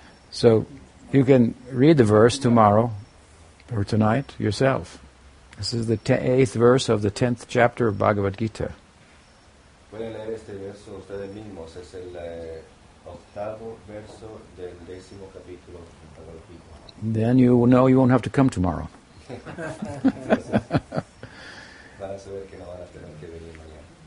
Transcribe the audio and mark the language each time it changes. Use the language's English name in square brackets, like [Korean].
[English] So, you can read the verse tomorrow or tonight yourself. This is the 8th verse of the 10th chapter of Bhagavad Gita. [Spanish] Pueden leer este verso ustedes mismos. Es el octavo verso del décimo capítulo del Bhagavad Gita. [English] Then you will know you won't have to come tomorrow. [Spanish] Van a saber que no van a tener que venir mañana.